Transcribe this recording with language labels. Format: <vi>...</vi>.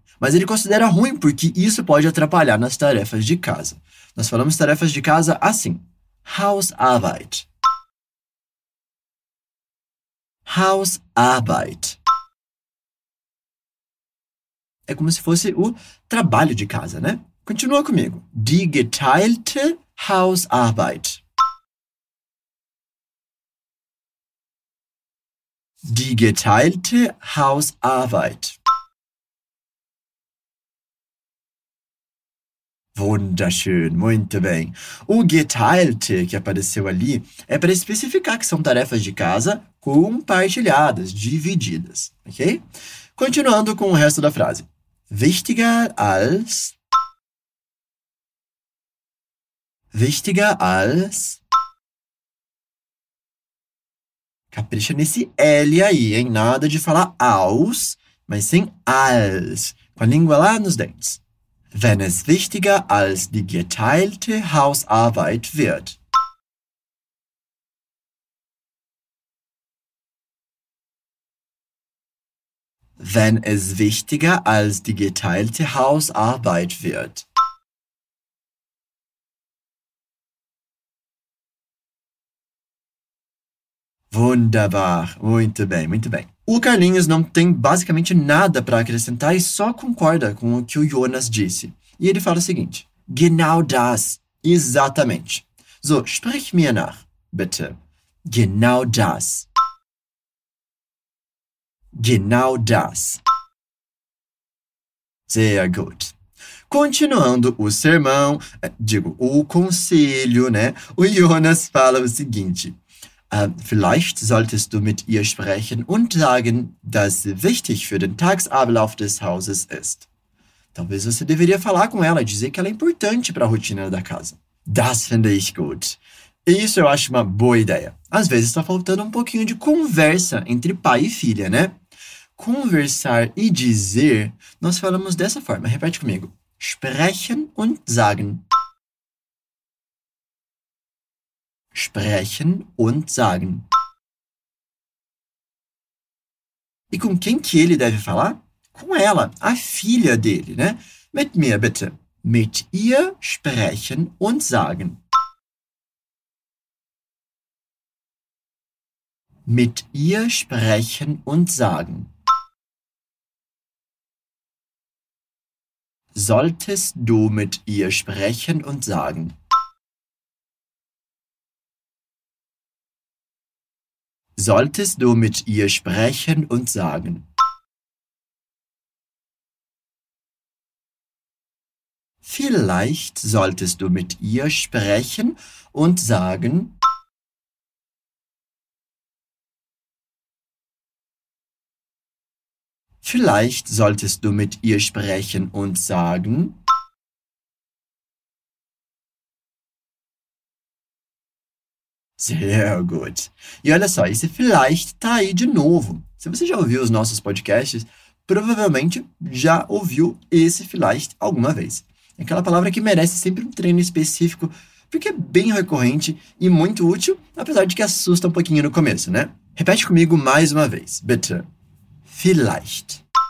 <pt>Mas ele considera ruim porque isso pode atrapalhar nas tarefas de casa. Nós falamos tarefas de casa assim. Hausarbeit.</pt> <de>Hausarbeit.</de> <pt>É como se fosse o trabalho de casa, né? Continua comigo.</pt> <de>Die geteilte Hausarbeit. Die geteilte Hausarbeit.</de> <pt>Wunderschön, muito bem. O geteilte que apareceu ali é para especificar que são tarefas de casa compartilhadas, divididas, ok? Continuando com o resto da frase.</pt> <de>Wichtiger als...</de> <pt>Capricha nesse L aí, hein? Nada de falar aus, mas sim als, com a língua lá nos dentes.</pt> <de>Wenn es wichtiger als die geteilte Hausarbeit wird. Wenn es wichtiger als die geteilte Hausarbeit wird.</de> <pt>Wunderbar, muito bem, muito bem. O Carlinhos não tem basicamente nada para acrescentar e só concorda com o que o Jonas disse. E ele fala o seguinte.</pt> <de>Genau das.</de> <pt>Exatamente.</pt> <de>So, sprich mir nach, bitte. Genau das. Genau das. Sehr gut.</de> <pt>Continuando o sermão, o conselho, né? O Jonas fala o seguinte.</pt> <de>Vielleicht solltest du mit ihr sprechen und sagen, dass sie wichtig für den Tagesablauf des Hauses ist.</de> <pt>Talvez você deveria falar com ela e dizer que ela é importante para a rotina da casa.</pt> <de>Das finde ich gut.</de> <pt>Isso eu acho uma boa ideia. Às vezes está faltando um pouquinho de conversa entre pai e filha, né? Conversar e dizer, nós falamos dessa forma. Repete comigo.</pt> <de>Sprechen und sagen. Sprechen und sagen.</de> <pt>E com quem que ele deve falar? Com ela, a filha dele, né?</pt> <de>Mit mir, bitte. Mit ihr sprechen und sagen. Mit ihr sprechen und sagen. Solltest du mit ihr sprechen und sagen? Solltest du mit ihr sprechen und sagen? Vielleicht solltest du mit ihr sprechen und sagen, vielleicht solltest du mit ihr sprechen und sagen, sehr gut.</de> <pt>E olha só, esse vielleicht tá aí de novo. Se você já ouviu os nossos podcasts, provavelmente já ouviu esse vielleicht alguma vez. Aquela palavra que merece sempre um treino específico, porque é bem recorrente e muito útil, apesar de que assusta um pouquinho no começo, né? Repete comigo mais uma vez.</pt> <de>Bitte. Vielleicht.</de>